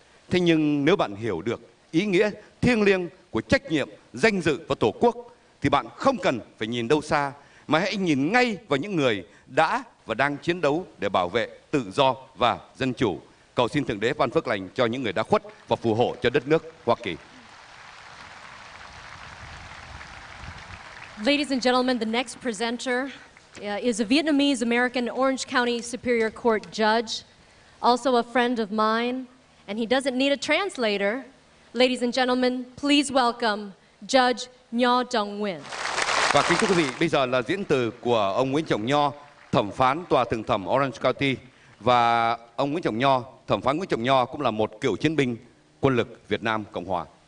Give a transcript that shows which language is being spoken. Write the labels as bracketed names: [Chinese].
[Vietnamese] Thế nhưng nếu bạn hiểu được ý nghĩa thiêng liêng của trách nhiệm, danh dự và tổ quốc thì bạn không cần phải nhìn đâu xa mà hãy nhìn ngay vào những người đã và đang chiến đấu để bảo vệ tự do và dân chủ. Cầu xin Thượng Đế ban phước lành cho những người đã khuất và phù hộ cho đất nước Hoa Kỳ. [English] Ladies and gentlemen, the next presenter is a Vietnamese American Orange County Superior Court judge, also a friend of mine, and he doesn't need a translator. Ladies and gentlemen, please welcome Judge Nho Dong Nguyen. [Vietnamese] Và kính thưa quý vị, bây giờ là diễn từ của ông Nguyễn Trọng Nho, thẩm phán tòa thượng thẩm Orange County. Và ông Nguyễn Trọng Nho, thẩm phán Nguyễn Trọng Nho cũng là một cựu chiến binh quân lực Việt Nam Cộng Hòa.